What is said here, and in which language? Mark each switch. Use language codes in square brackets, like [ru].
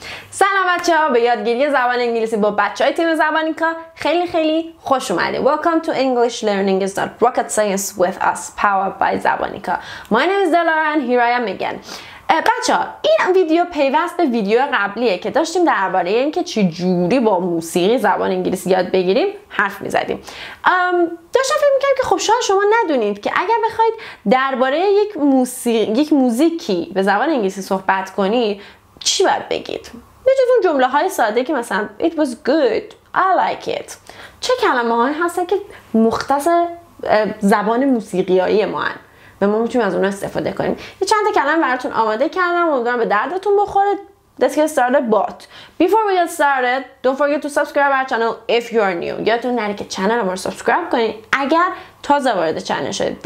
[fa] سلام بچه ها، به یادگیری زبان انگلیسی با بچه های تیم زبانیکا خیلی خیلی خوش اومده. [en] Welcome to English learning is not rocket science with us, powered by زبانیکا. My name is Delara and here I am again. [fa] بچه ها، این ویدیو پیوست به ویدیو قبلیه که داشتیم درباره این که چجوری با موسیقی زبان انگلیسی یاد بگیریم حرف میزدیم. داشتم فکر میکردم که خب شاید شما ندونید که اگر بخواید درباره یک موزیکی به زبان انگلیسی صحبت کنی چی باید بگید؟ به جز اون جمله های ساده که مثلا [en] It was good, I like it. [fa] چه کلمه هایی هستن که مختص زبان موسیقیایی ما هن و ما میتونیم از اون استفاده کنیم؟ یه چند تا کلمه براتون آماده کردم، امیدوارم به دردتون بخوره. [en] Let's get started. But before we get started, don't forget to subscribe our channel if you are new. [fa] یادتون نره که چنل ما رو سابسکرایب کنید اگر تازه وارد چنل شدید.